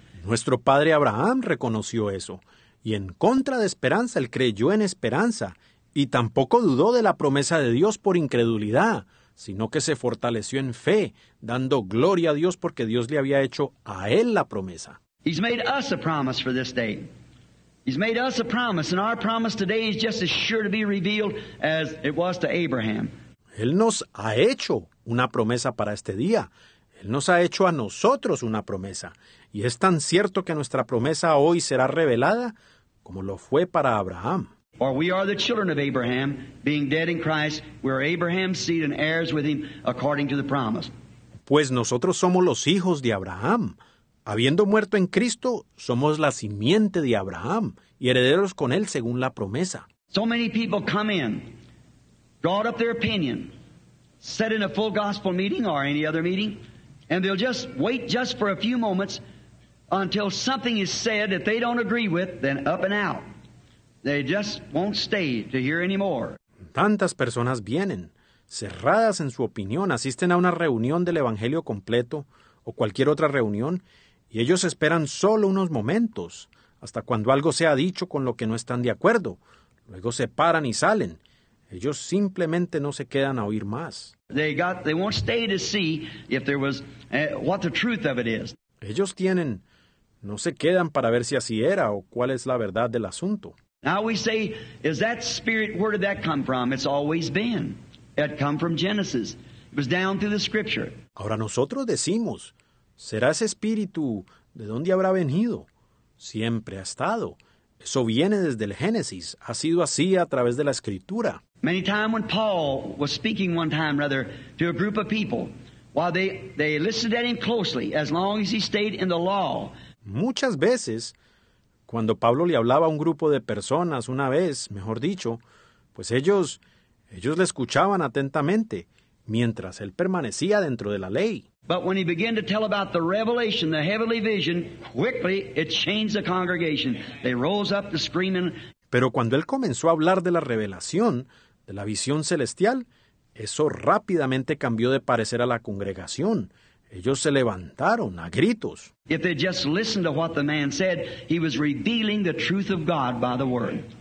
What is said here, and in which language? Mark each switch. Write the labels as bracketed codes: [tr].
[es] Nuestro padre Abraham reconoció eso, y en contra de esperanza, él creyó en esperanza, y tampoco dudó de la promesa de Dios por incredulidad, sino que se fortaleció en fe, dando gloria a Dios porque Dios le había hecho a él la promesa. [en] He's made us a promise for this day. He's made us a promise, and our promise today is just as sure to be revealed as it was to Abraham. [es] Él nos ha hecho una promesa para este día. Él nos ha hecho a nosotros una promesa. Y es tan cierto que nuestra promesa hoy será revelada como lo fue para Abraham. [en] Or we are the children of Abraham, being dead in Christ, we are Abraham's seed and heirs with him according to the promise. [es] Pues nosotros somos los hijos de Abraham, Habiendo muerto en Cristo, somos la simiente de Abraham y herederos con él según la promesa. [en] So many people come in, brought up their opinion, set in a full gospel meeting or any other meeting, and they'll just wait just for a few moments until something is said that they don't agree with, then up and out. They just won't stay to hear anymore. [es] Tantas personas vienen, cerradas en su opinión, asisten a una reunión del Evangelio completo o cualquier otra reunión, y ellos esperan solo unos momentos, hasta cuando algo sea dicho con lo que no están de acuerdo. Luego se paran y salen. Ellos simplemente no se quedan a oír más. [en] They won't stay to see if there was what the truth of it is. [es] Ellos tienen, no se quedan para ver si así era o cuál es la verdad del asunto. [en] Now we say, is that spirit, where did that come from? It's always been. It come from Genesis. It was down through the scripture. [es] Ahora nosotros decimos, ¿será ese espíritu de dónde habrá venido? Siempre ha estado. Eso viene desde el Génesis. Ha sido así a través de la Escritura. [en] Many times when Paul was speaking one time, rather, to a group of people, while they listened at him closely, as long as he stayed in the law. [es] Muchas veces, cuando Pablo le hablaba a un grupo de personas una vez, mejor dicho, pues ellos le escuchaban atentamente, mientras él permanecía dentro de la ley. [en] But when he began to tell about the revelation, the heavenly vision, quickly it changed the congregation. They rose up to screaming. [es] Pero cuando él comenzó a hablar de la revelación, de la visión celestial, eso rápidamente cambió de parecer a la congregación. Ellos se levantaron a gritos. [en] If they just listened to what the man said, he was revealing the truth of God by the word.